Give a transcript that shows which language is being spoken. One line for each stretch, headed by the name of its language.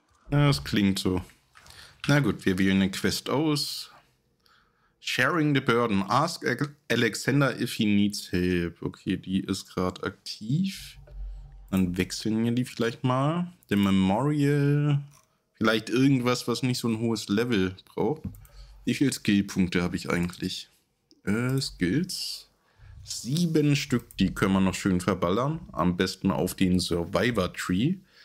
German: Das klingt so. Na gut, wir wählen eine Quest aus.
English: Sharing the burden. Ask Alexander if he needs help.
German: Okay, die ist gerade aktiv. Dann wechseln wir die vielleicht mal. Der Memorial. Vielleicht irgendwas, was nicht so ein hohes Level braucht. Wie viele Skillpunkte habe ich eigentlich? Skills. 7 Stück, die können wir noch schön verballern. Am besten auf den Survivor Tree.